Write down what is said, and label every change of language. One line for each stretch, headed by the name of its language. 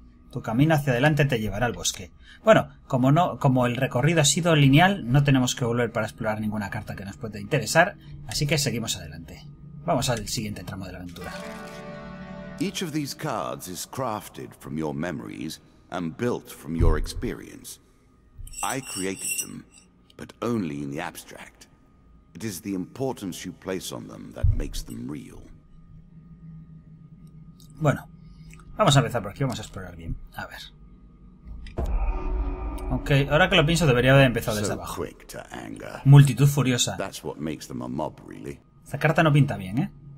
Spanish: Tu camino hacia adelante te llevará al bosque. Bueno, como el recorrido ha sido lineal, no tenemos que volver para explorar ninguna carta que nos pueda interesar, así que seguimos adelante. Vamos al siguiente tramo de la aventura.
English: Each of these cards is crafted from your memories and built from your experience. I created them, but only in the abstract. It is the importance you place on them that makes them real.
Spanish: Bueno, vamos a empezar por aquí, vamos a explorar bien. A ver. Ok, ahora que lo pienso, debería haber empezado desde abajo. Multitud furiosa.
English: That's what makes them a mob, really.
Spanish: Esta carta no pinta bien, ¿eh?